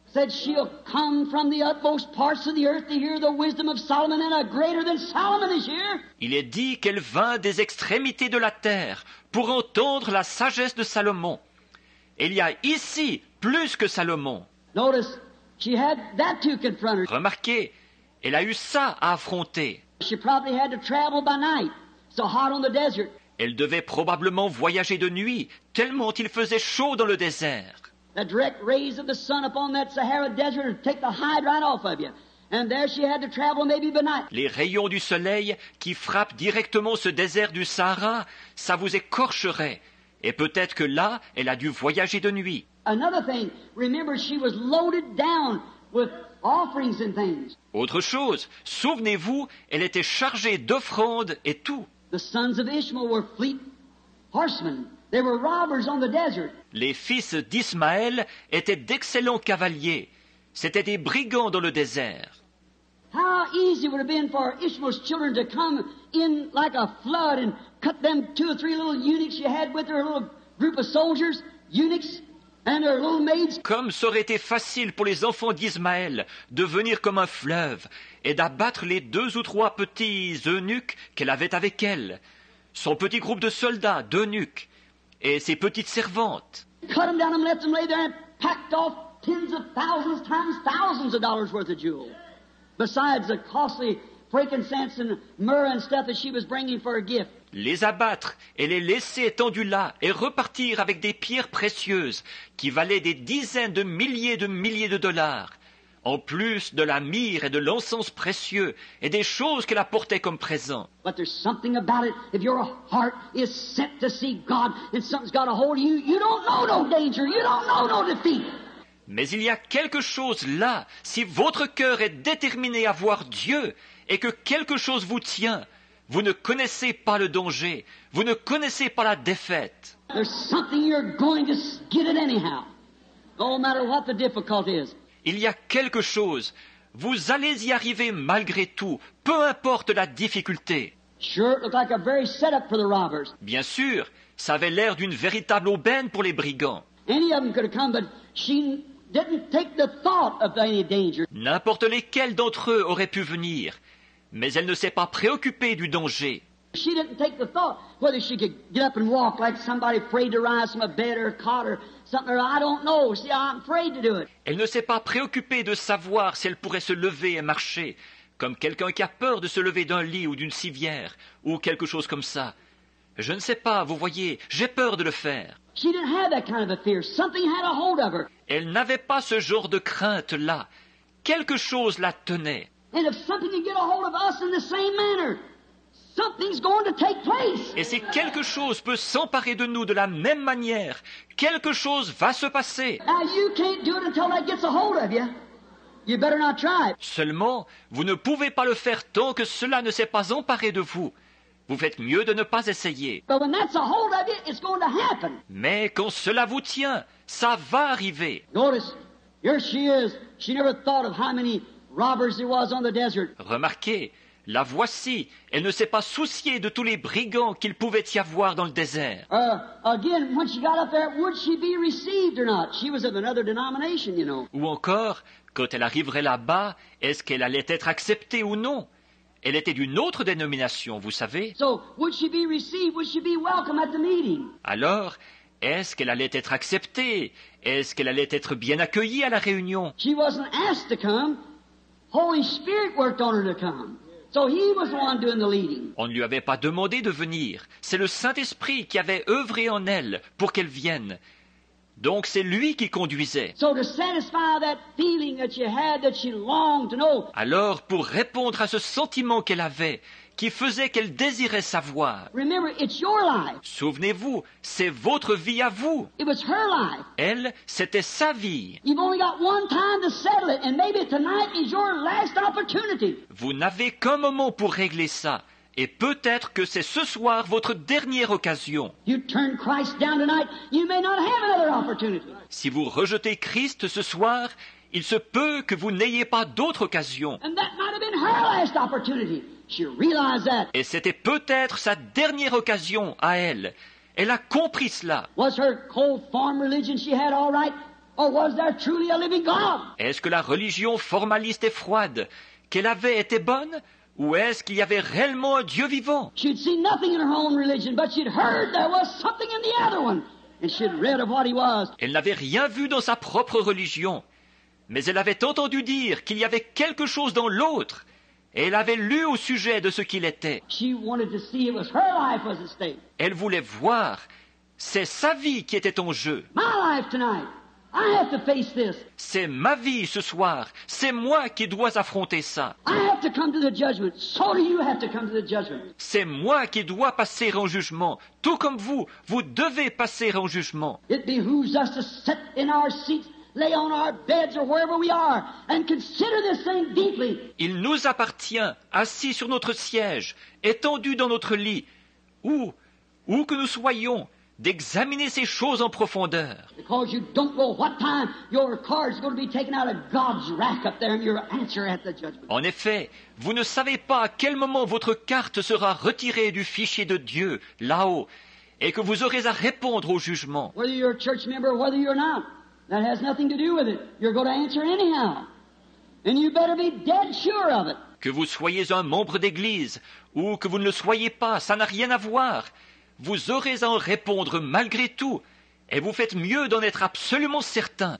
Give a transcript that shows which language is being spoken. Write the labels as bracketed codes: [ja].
[en] Said she'll come from the utmost parts of the earth to hear the wisdom of Solomon, and a greater than Solomon is here. [fr] Il est dit qu'elle vint des extrémités de la terre pour entendre la sagesse de Salomon. Il y a ici plus que Salomon. [en] Notice, she had that to confront her. [fr] Remarquez, elle a eu ça à affronter. [en] She probably had to travel by night, so hot on the desert. [fr] Elle devait probablement voyager de nuit, tellement il faisait chaud dans le désert. [en] The direct rays of the sun upon that Sahara desert would take the hide right off of you. And there she had to travel maybe by night. [fr] Les rayons du soleil qui frappent directement ce désert du Sahara, ça vous écorcherait. Et peut-être que là, elle a dû voyager de nuit. [en] Another thing, remember she was loaded down with offerings and things. [fr] Autre chose, souvenez-vous, elle était chargée d'offrandes et tout. [en] The sons of Ishmael were fleet horsemen. They were robbers on the desert. [fr] Les fils d'Ismaël étaient d'excellents cavaliers. C'étaient des brigands dans le désert. [en] How easy would it have been for Ishmael's children to come in like a flood and cut them two or three little eunuchs she had with her, a little group of soldiers, eunuchs and her little maids. [fr] Comme ça aurait été facile pour les enfants d'Ismaël de venir comme un fleuve et d'abattre les deux ou trois petits eunuques qu'elle avait avec elle. Son petit groupe de soldats, d'eunuques, et ses petites servantes. [en] Cut them down and let them lay there and packed off tens of thousands times thousands of dollars worth of jewels. Besides the costly frankincense and myrrh and stuff that she was bringing for a gift. [fr] Les abattre et les laisser étendus là et repartir avec des pierres précieuses qui valaient des dizaines de milliers de dollars, en plus de la myrrhe et de l'encens précieux et des choses qu'elle apportait comme présent. [en] But there's something about it. If your heart is set to see God and something's got a hold of you, you don't know no danger, you don't know no defeat. [fr] Mais il y a quelque chose là, si votre cœur est déterminé à voir Dieu et que quelque chose vous tient, vous ne connaissez pas le danger, vous ne connaissez pas la défaite. [en] There's something you're going to get it anyhow, no matter what the difficulty is. [fr] Il y a quelque chose, vous allez y arriver malgré tout, peu importe la difficulté. [en] Sure, it looked like a very setup for the robbers. [fr] Bien sûr, ça avait l'air d'une véritable aubaine pour les brigands. [en] Any of them could have come, but she didn't take the thought of any danger. [fr] N'importe lesquels d'entre eux auraient pu venir, mais elle ne s'est pas préoccupée du danger. [en] She didn't take the thought whether she could get up and walk like somebody afraid to rise from a bed or a cot or something. I don't know. See, I'm afraid to do it. [fr] Elle ne s'est pas préoccupée de savoir si elle pourrait se lever et marcher, comme quelqu'un qui a peur de se lever d'un lit ou d'une civière ou quelque chose comme ça. Je ne sais pas, vous voyez, j'ai peur de le faire. [en] She didn't have that kind of a fear. Something had a hold of her. [fr] Elle n'avait pas ce genre de crainte là. Quelque chose la tenait. [en] And if something can get a hold of us in the same manner, something's going to take place. [fr] Et si quelque chose peut s'emparer de nous de la même manière, quelque chose va se passer. [en] Now you can't do it until that gets a hold of you. You better not try. [fr] Seulement, vous ne pouvez pas le faire tant que cela ne s'est pas emparé de vous. Vous faites mieux de ne pas essayer. [en] But when that's a hold of you, it's going to happen. [fr] Mais quand cela vous tient, ça va arriver. [en] Notice, here she is. She never thought of how many robbers there was on the desert. [fr] Remarquez, la voici. Elle ne s'est pas souciée de tous les brigands qu'il pouvait y avoir dans le désert. [en] Again, when she got up there, would she be received or not? She was of another denomination, you know. [fr] Ou encore, quand elle arriverait là-bas, est-ce qu'elle allait être acceptée ou non? Elle était d'une autre dénomination, vous savez. [en] So, would she be received? Would she be welcome at the meeting? [fr] Alors, est-ce qu'elle allait être acceptée? Est-ce qu'elle allait être bien accueillie à la réunion? [en] She wasn't asked to come. Holy Spirit worked on her to come. So he was the one doing the leading. [fr] On ne lui avait pas demandé de venir. C'est le Saint-Esprit qui avait œuvré en elle pour qu'elle vienne. Donc c'est lui qui conduisait. [en] So to satisfy that feeling that she had, that she longed to know. [fr] Alors pour répondre à ce sentiment qu'elle avait, qui faisait qu'elle désirait savoir. [en] Remember, it's your life. [fr] Souvenez-vous, c'est votre vie à vous. [en] It was her life. [fr] Elle, c'était sa vie. [en] You've only got one time to settle it, and maybe tonight is your last opportunity. [fr] Vous n'avez qu'un moment pour régler ça. Et peut-être que c'est ce soir votre dernière occasion. [en] You turn Christ down tonight, you may not have another opportunity. [fr] Si vous rejetez Christ ce soir, il se peut que vous n'ayez pas d'autre occasion. [en] And that might have been her last opportunity. She realized that. [fr] Et c'était peut-être sa dernière occasion à elle. Elle a compris cela. [en] Was her cold form religion she had all right, or was there truly a living God? [fr] Est-ce que la religion formaliste et froide qu'elle avait était bonne? Ou est-ce qu'il y avait réellement un Dieu vivant? [en] She'd seen nothing in her own religion, but she'd heard there was something in the other one, and she'd read of what he was. [fr] Elle n'avait rien vu dans sa propre religion, mais elle avait entendu dire qu'il y avait quelque chose dans l'autre, et elle avait lu au sujet de ce qu'il était. [en] She wanted to see it was her life was at stake. [fr] Elle voulait voir, c'est sa vie qui était en jeu. [en] My life tonight. I have to face this. [fr] C'est ma vie ce soir. C'est moi qui dois affronter ça. [en] I have to come to the judgment. So do you have to come to the judgment. [fr] C'est moi qui dois passer en jugement. Tout comme vous, vous devez passer en jugement. [en] It behooves us to sit in our seats, lay on our beds or wherever we are, and consider this thing deeply. [fr] Il nous appartient, assis sur notre siège, étendu dans notre lit, où que nous soyons, d'examiner ces choses en profondeur. [en] Because you don't know what time your card's going to be taken out of God's rack up there and your answer at the judgment. [fr] En effet, vous ne savez pas à quel moment votre carte sera retirée du fichier de Dieu là-haut et que vous aurez à répondre au jugement. [en] Whether you're a church member or whether you're not, that has nothing to do with it. You're going to answer anyhow. And you better be dead sure of it. [fr] Que vous soyez un membre d'église ou que vous ne le soyez pas, ça n'a rien à voir. Vous aurez à en répondre malgré tout, et vous faites mieux d'en être absolument certain.